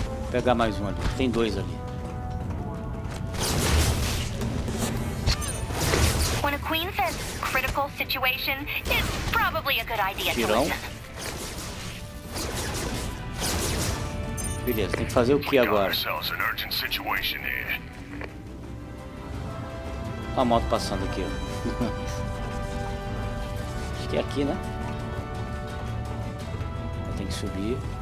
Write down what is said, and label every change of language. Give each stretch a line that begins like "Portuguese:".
Portuguese: Pegar mais um ali, tem dois ali.
English: When a queen says critical situation, it's probably a good idea.
Portuguese: Tirão. Beleza, tem que fazer o que agora? Olha a moto passando aqui. Ó. Acho que é aqui, né? Tem que subir.